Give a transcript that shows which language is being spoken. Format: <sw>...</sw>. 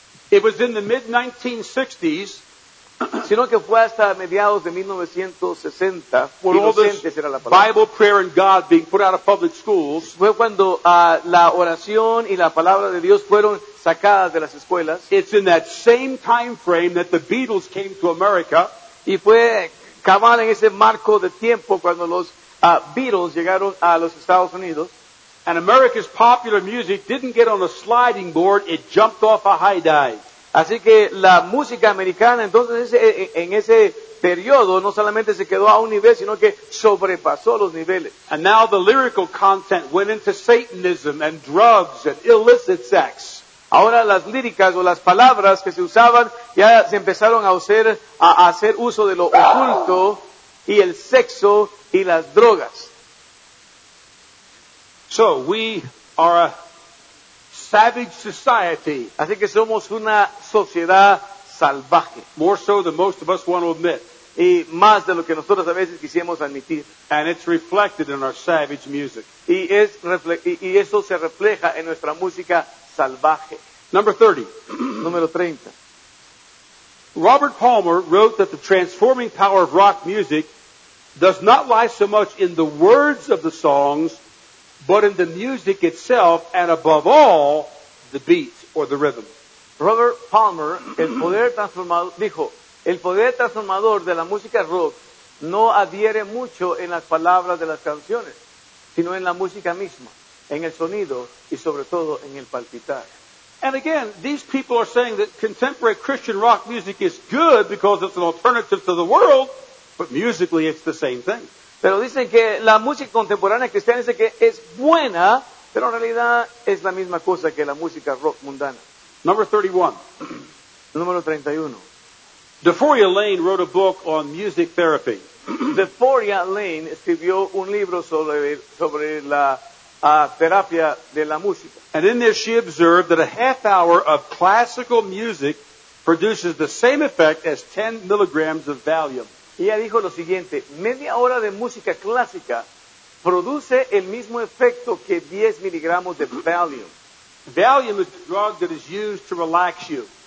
<en>It was in the mid-1960s.</en> <es>Sino que fue hasta mediados de 1960, inocentes era la</es> <en>Bible prayer and God being put out of public schools,</en> <es>fue cuando la oración y la palabra de Dios fueron sacadas de las escuelas.</es> <en>It's in that same time frame that the Beatles came to America.</en> <es>Y fue cabal en ese marco de tiempo cuando los Beatles llegaron a los Estados Unidos.</es> <en>And America's popular music didn't get on a sliding board, it jumped off a high dive.</en> <es>Así que la música americana, entonces, en ese periodo, no solamente se quedó a un nivel, sino que sobrepasó los niveles.</es> <en>And now the lyrical content went into Satanism and drugs and illicit sex.</en> <es>Ahora las líricas o las palabras que se usaban ya se empezaron a hacer uso de lo oculto y el sexo y las drogas.</es> <en>So, we are a savage society.</en> <es>Así que somos una sociedad salvaje.</es> <en>More so than most of us want to admit.</en> <es>Y más de lo que nosotros a veces quisiéramos admitir.</es> <en>And it's reflected in our savage music.</en> <es>Y eso se refleja en nuestra música salvaje.</es> <en>Number 30.</en> <es>Número 30.</es> <en>Robert Palmer wrote that the transforming power of rock music does not lie so much in the words of the songs, but in the music itself, and above all, the beat or the rhythm.</en> <es>Robert Palmer, el poder transformador, dijo, el poder transformador de la música rock no adhiere mucho en las palabras de las canciones, sino en la música misma, en el sonido y sobre todo en el palpitar.</es> <en>And again, these people are saying that contemporary Christian rock music is good because it's an alternative to the world, but musically it's the same thing.</en> <es>Pero dicen que la música contemporánea cristiana dice que es buena, pero en realidad es la misma cosa que la música rock mundana.</es> <en>Number 31.</en> <es>Número 31.</es> <en>Dephoria Lane wrote a book on music therapy.</en> <es>Dephoria Lane escribió un libro sobre la terapia de la música.</es> <en>And in there she observed that a half hour of classical music produces the same effect as 10 milligrams of Valium.</en> <es>Y ella dijo lo siguiente, media hora de música clásica produce el mismo efecto que 10 miligramos de Valium.</es> <en>Valium is a drug that is used to relax you.</en>